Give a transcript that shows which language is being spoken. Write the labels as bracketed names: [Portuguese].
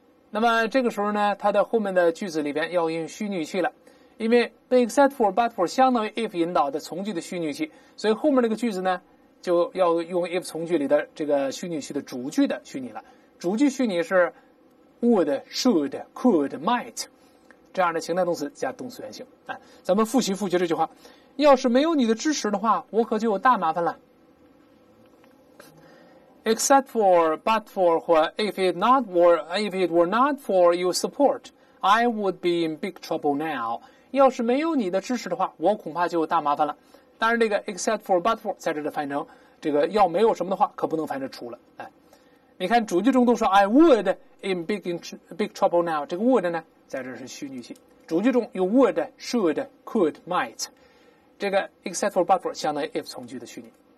[Chinese] 那么这个时候呢，它的后面的句子里边要用虚拟语气了，因为被 except for、but for 相当于 if 引导的从句的虚拟语气，所以后面这个句子呢，就要用 if 从句里的这个虚拟语气的主句的虚拟了。主句虚拟是 would, should, could, might 这样的情态动词加动词原形。哎，咱们复习复习这句话，要是没有你的支持的话，我可就有大麻烦了。 [English] Except for, but for, or if it were not for your support, I would be in big trouble now. [Chinese] 要是没有你的支持的话，我恐怕就有大麻烦了。当然这个 except for, but for 在这里翻译成这个要没有什么的话，可不能翻译成除了。哎，你看主句中都说 [English] I would in big trouble now， [Chinese] 这个 would 呢在这是虚拟性，主句中有 would, should, could, might， 这个 except for, but for 相当于 if 从句的虚拟。